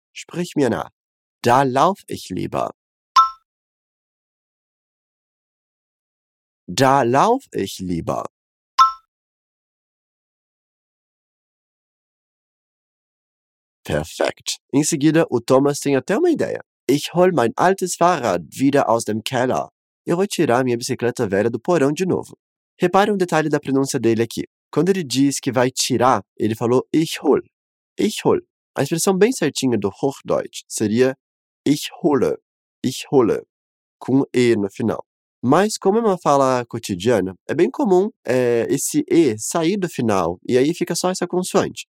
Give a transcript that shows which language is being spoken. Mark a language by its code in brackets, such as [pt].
[de] Sprich mir nach. Da lauf ich lieber. Da lauf ich lieber. Perfekt. [pt] Em seguida, o Thomas tem até uma ideia. [de] Ich hol mein altes Fahrrad wieder aus dem Keller. [pt] Eu vou tirar minha bicicleta velha do porão de novo. Repare um detalhe da pronúncia dele aqui. Quando ele diz que vai tirar, ele falou [de] ich hol. Ich hol. [pt] A expressão bem certinha do Hochdeutsch seria [de] ich hole. Ich hole. [pt] Com E no final. Mas, como é uma fala cotidiana, é bem comum esse E sair do final e aí fica só essa consoante.